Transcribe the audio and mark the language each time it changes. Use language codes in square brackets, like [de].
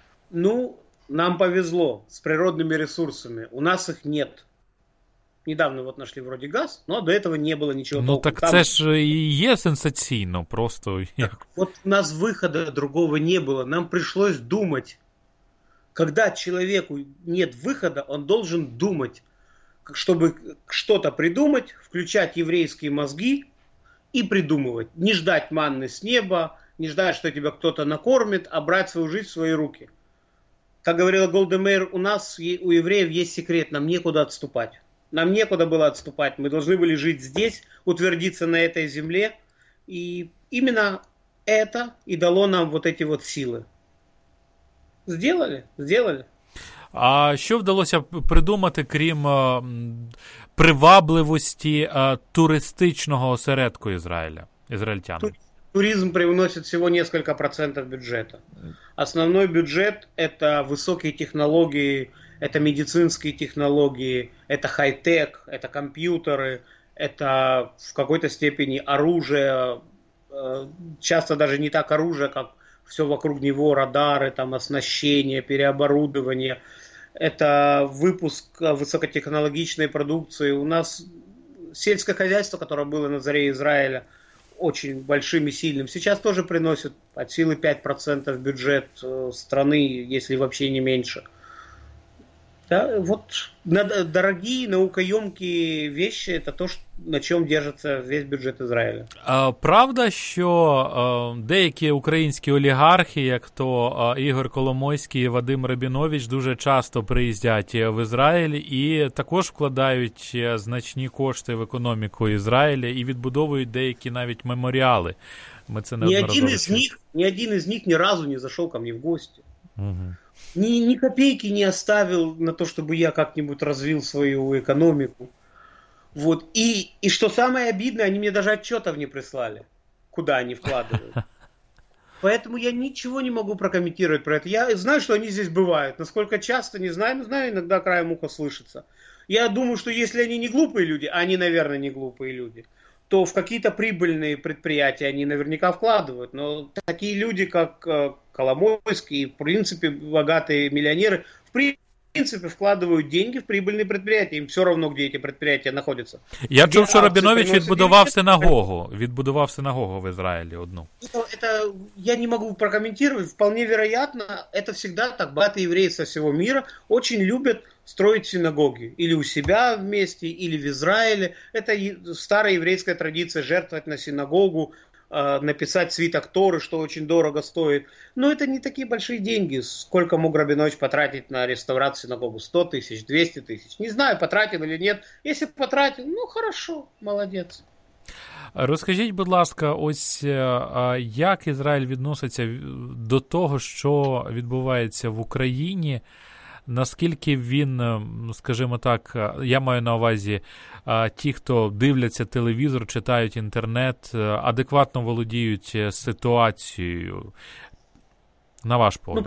[uk] Ну, нам повезло з природними ресурсами. У нас їх нет. [ru] Недавно вот нашли вроде газ, но до этого не было ничего толку. [uk] Ну так там... це ж і є сенсаційно, просто... Так, [ru] вот у нас выхода другого не было. Нам пришлось думать. Когда человеку нет выхода, он должен думать, чтобы что-то придумать, включать еврейские мозги и придумывать. Не ждать манны с неба, не ждать, что тебя кто-то накормит, а брать свою жизнь в свои руки. Как говорила Голда Мейр, у нас, у евреев есть секрет, нам некуда отступать. Нам некуда было отступать, мы должны были жить здесь, утвердиться на этой земле. И именно это и дало нам вот эти вот силы. Сделали. [uk] А що вдалося придумати, крім привабливості туристичного осередку Ізраїля, ізраїльтян? [ru] Туризм приносит всего несколько процентов бюджета. Основной бюджет – это высокие технологии, это медицинские технологии, это хай-тек, это компьютеры, это в какой-то степени оружие, часто даже не так оружие, как все вокруг него, радары, там, оснащение, переоборудование. Это выпуск высокотехнологичной продукции. У нас сельское хозяйство, которое было на заре Израиля, очень большим и сильным, сейчас тоже приносит от силы 5% бюджет страны, если вообще не меньше. Да, вот дорогие, наукоемкие вещи – это то, на чем держится весь бюджет Израиля. [uk] Правда, [ru] что деякие украинские олигархи, [uk] как то Игорь Коломойский и Вадим Рабинович, дуже часто приїздят в Израиль и також вкладают значні кошти в економіку Израиля и відбудовують деякі навіть меморіали. Ми це не ні один із них ні разу [ru] не зашел ко мне [uk] в гості. [ru] Ні копейки не оставил на то, чтобы я как-нибудь развил свою экономику. Вот. И что самое обидное, они мне даже отчетов не прислали, куда они вкладывают. Поэтому я ничего не могу прокомментировать про это. Я знаю, что они здесь бывают. Насколько часто, не знаю. Знаю, иногда краем уха слышится. Я думаю, что если они не глупые люди, а они, наверное, не глупые люди, то в какие-то прибыльные предприятия они наверняка вкладывают. Но такие люди, как Коломойский, в принципе, богатые миллионеры, в принципе, вкладывают деньги в прибыльные предприятия. Им все равно, где эти предприятия находятся. [uk] Я чув, что Рабінович відбудував синагогу. Відбудував синагогу в Ізраїлі одну. [ru] Это я не могу прокомментировать. Вполне вероятно, это всегда так. Богатые евреи со всего мира очень любят строить синагоги. Или у себя вместе, или в Израиле. Это старая еврейская традиция жертвовать на синагогу, написать свиток Торы, что очень дорого стоит. Но это не такие большие деньги, сколько мог Рабинович потратить на реставрацию синагогу. 100 тысяч, 200 тысяч. Не знаю, потратил или нет. Если потратил, ну хорошо, молодец. [uk] Розкажіть, будь ласка, ось як Ізраїль відноситься до того, що відбувається в Україні? Наскільки він, скажімо так, я маю на увазі, ті, хто дивляться телевізор, читають інтернет, адекватно володіють ситуацією, на ваш погляд?